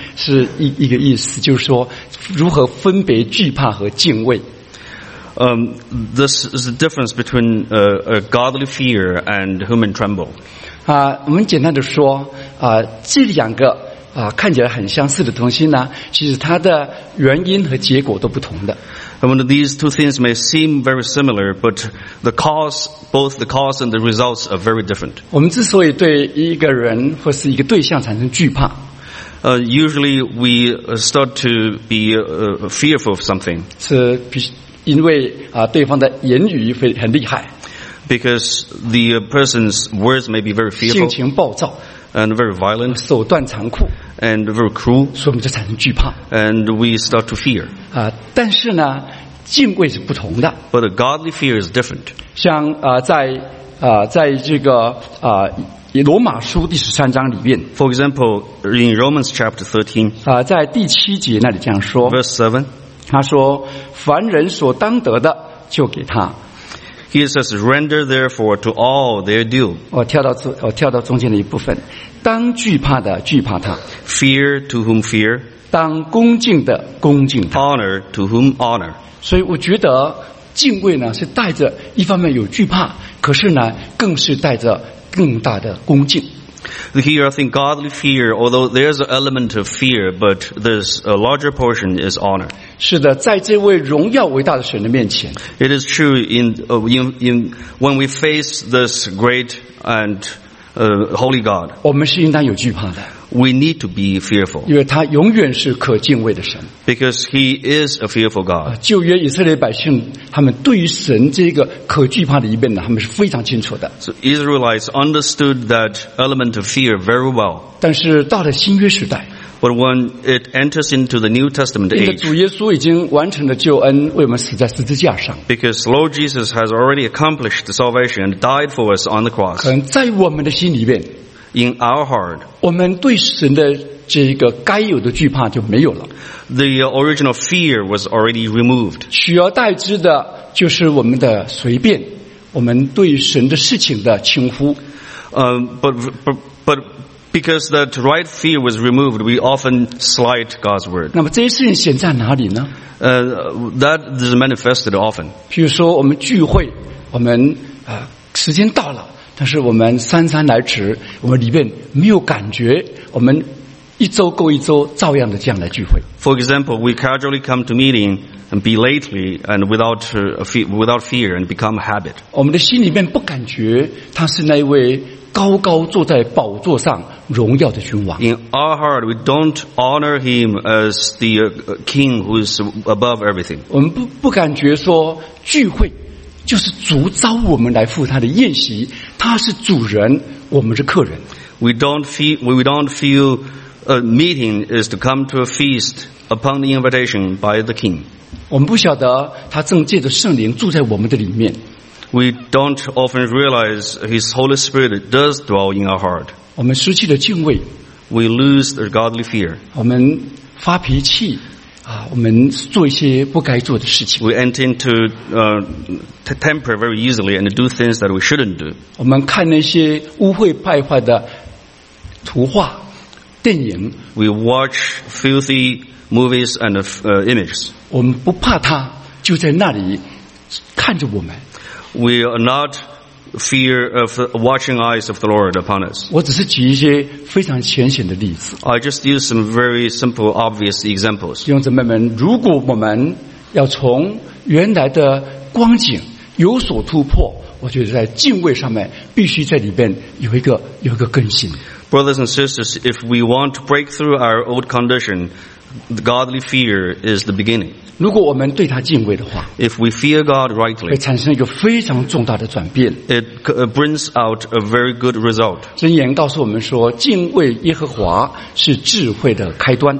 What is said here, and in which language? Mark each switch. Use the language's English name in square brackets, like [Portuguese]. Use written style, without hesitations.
[Chinese] 那么我想他这个里面可能是一个意思, 就是说如何分别惧怕和敬畏。 [English] This is the difference between a godly fear and human tremble. [Chinese] 我们简单的说, 这两个, 看起来很相似的东西呢, 其实它的原因和结果都不同的。 [English] I mean, these two things may seem very similar, but the cause, both the cause and the results are very different. [Chinese] 我们之所以对一个人或是一个对象产生惧怕, [English] usually we start to be fearful of something. [Chinese] 是因为, 对方的言语很厉害, [English] because the person's words may be very fearful, [Chinese] 性情暴躁, [English] and very violent, [Chinese] 手段残酷, [English] and very cruel, [Chinese] 所以我们就产生惧怕, [English] and we start to fear. [Chinese] 但是呢, 敬畏是不同的, [English] but a godly fear is different. [Chinese] 像, 在这个, 罗马书第13章里面, [English] for example, in Romans chapter 13, [Chinese] 在第七节那里这样说, [English] verse 7, [Chinese] 他说, 凡人所当得的, 就给他。 [English] He says, render therefore to all their due. [Chinese] 我跳到中间的一部分, 当惧怕的惧怕他, [English] fear to whom fear, [Chinese] 当恭敬的恭敬他, [English] honor to whom honor. [Chinese] 所以我觉得敬畏呢, 是带着一方面有惧怕, 可是呢, 更是带着更大的恭敬。 [English] Here I think godly fear, although there's an element of fear, but there's a larger portion is honor. [Chinese] 是的, 在这位荣耀伟大的神的面前, [English] it is true in when we face this great and holy God, [Chinese] 我们是应当有惧怕的, [English] we need to be fearful, [Chinese] 因为他永远是可敬畏的神, [English] because he is a fearful God. [Chinese] 旧约以色列百姓, 他们对于神这个可惧怕的一面呢, 他们是非常清楚的。 [English] So Israelites understood that element of fear very well. [Chinese] 但是到了新约时代, [English] but when it enters into the New Testament age, [Chinese] 主耶稣已经完成了救恩, 为我们死在十字架上, [English] because Lord Jesus has already accomplished the salvation and died for us on the cross. [Chinese] 可能在我们的心里面, [English] in our heart, [Chinese] 我们对神的这个该有的惧怕就没有了, [English] the original fear was already removed. [Chinese] 取而代之的就是我们的随便, 我们对神的事情的轻忽。 [English] But because that right fear was removed, we often slight God's word. [Chinese] 那么这些事情显在哪里呢? [English] That is manifested often. [Chinese] 譬如说我们聚会, 我们, 时间到了, 但是我们姗姗来迟, 我们里面没有感觉, 我们一周过一周照样的这样来聚会。 [English] For example, we casually come to meeting and be lately and without fear and become a habit. [Chinese] 我们的心里面不感觉他是那位高高坐在宝座上荣耀的君王。 [English] In our heart, we don't honor him as the king who is above everything. [Chinese] 我们不感觉说聚会就是主召我们来赴他的宴席，他是主人，我们是客人。 [English] We don't feel a meeting is to come to a feast upon the invitation by the king. [Chinese] 我们不晓得他正借着圣灵住在我们的里面。 [English] We don't often realize His Holy Spirit does dwell in our heart. [Chinese] 我们失去了敬畏。 [English] We lose the godly fear. [Chinese] 我们发脾气。我们做一些不该做的事情。 [English] We enter into temper very easily and do things that we shouldn't do. [Chinese] 我们看那些污秽败坏的图画、电影。 [English] We watch filthy movies and images. [Chinese] 我们不怕他就在那里看着我们。 [English] We are not fear of watching eyes of the Lord upon us. [Chinese] 我只是举一些非常浅显的例子。 [English] I just use some very simple, obvious examples. [Chinese] 弟兄姊妹们，如果我们要从原来的光景有所突破，我觉得在敬畏上面必须在里边有一个更新。 [English] Brothers and sisters, if we want to break through our old condition, the godly fear is the beginning. [Chinese] 如果我们对他敬畏的话， [English] if we fear God rightly, [Chinese] 会产生一个非常重大的转变。 [English] It brings out a very good result. [Chinese] 箴言告诉我们说，敬畏耶和华是智慧的开端。